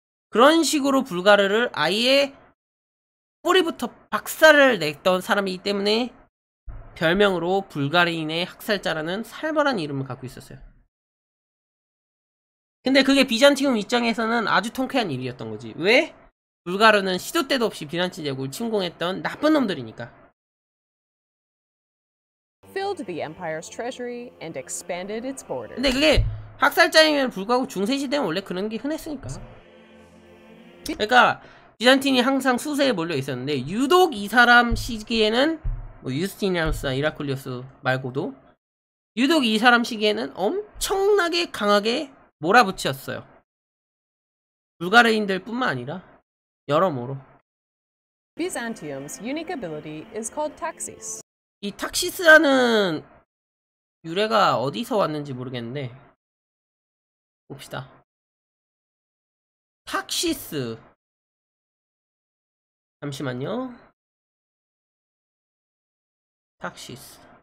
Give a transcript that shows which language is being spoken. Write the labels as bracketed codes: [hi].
[ko] 그런 식으로 불가르를 아예 뿌리부터 박살을 냈던 사람이기 때문에 별명으로 불가리인의 학살자라는 살벌한 이름을 갖고 있었어요. 근데 그게 비잔티움 입장에서는 아주 통쾌한 일이었던 거지. 왜? 불가르는 시도 때도 없이 비잔티 제국을 침공했던 나쁜 놈들이니까. [en] filled the empire's treasury and expanded its [ko] 근데 [en] borders. [ko] 그게 학살자임에도 불구하고 중세시대는 원래 그런 게 흔했으니까. 그러니까 비잔틴이 항상 수세에 몰려 있었는데 유독 이 사람 시기에는 뭐 유스티니아누스나 이라클리오스 말고도 유독 이 사람 시기에는 엄청나게 강하게 몰아붙였어요. 불가르인들뿐만 아니라 여러모로. [en] Byzantium's unique ability is called taxis. [ko] 이 탁시스라는 유래가 어디서 왔는지 모르겠는데 봅시다. 탁시스. 잠시만요. 탁시스.